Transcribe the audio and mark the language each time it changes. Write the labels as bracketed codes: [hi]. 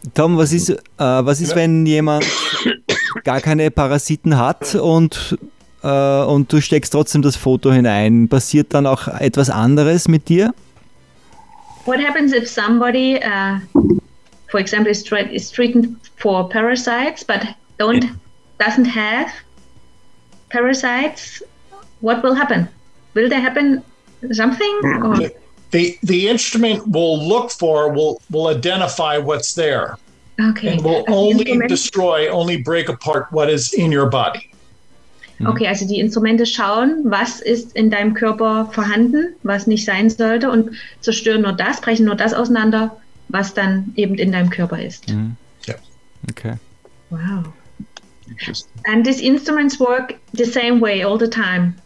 [de] Tom, was ist, wenn jemand gar keine Parasiten hat und du steckst trotzdem das Foto hinein? Passiert dann auch etwas anderes mit dir? [en] What happens if somebody, for example, is treated for parasites but doesn't have parasites? What will happen? Will there happen something? Or? The instrument will identify what's there. Okay. And will only break apart what is in your body. [de] Okay, also die Instrumente schauen, was ist in deinem Körper vorhanden, was nicht sein sollte, und zerstören nur das, brechen nur das auseinander, was dann eben in deinem Körper ist. [en] Mm. Yeah. Okay. Wow. Interesting. And these instruments work the same way all the time.